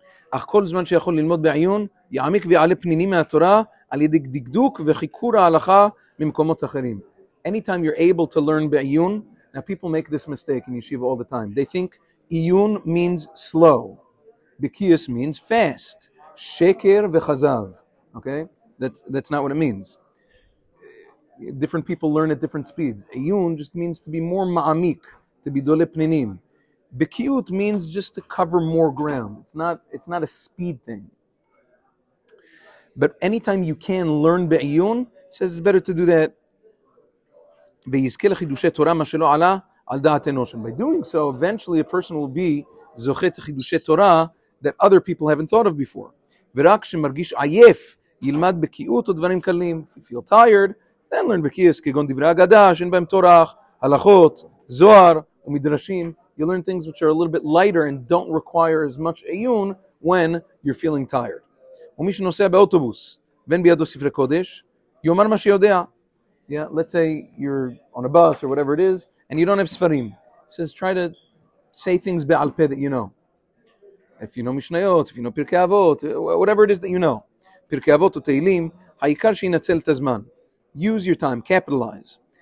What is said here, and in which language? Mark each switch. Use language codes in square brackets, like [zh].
[he] אך כל זמן שיכול ללמוד בעיון, יעמיק ויעלה פנינים מהתורה, על ידי דקדוק וחיקור ההלכה ממקומות אחרים. [en] Anytime you're able to learn b'ayun, now people make this mistake in yeshiva all the time. They think iyun means slow. B'kiyus means fast. [he] Sheker v'chazav. [en] Okay? That's not what it means. Different people learn at different speeds. Iyun just means to be more ma'amik, to be [he] dole pninim. [en] B'kiyut means just to cover more ground. It's not a speed thing. But anytime you can learn b'ayun, says it's better to do that. [he] ויזכה לחידושי תורה מה שלא עלה על דעת אנוש. [en] And by doing so, eventually a person will be [he] זוכה לחידושי תורה [en] that other people haven't thought of before. [he] ורק שמרגיש עייף ילמד בקיאות או דברים קלים. [en] If you feel tired, then learn [he] בקיאס כגון דברי אגדה שאין בהם תורך, הלכות, זוהר ומדרשים. [en] You learn things which are a little bit lighter and don't require as much עיון when you're feeling tired. [he] ומי שנוסע באוטובוס ואין בידו ספרי קודש, יאמר מה שיודע. [en] Yeah, let's say you're on a bus or whatever it is, and you don't have sfarim. It says, try to say things [he] be'al peh [en] that you know. If you know mishnayot, if you know pirkei avot, whatever it is that you know. [he] Pirkei avot o teilim, ha'ikar she'inatzel et hazman. [en] Use your time, capitalize.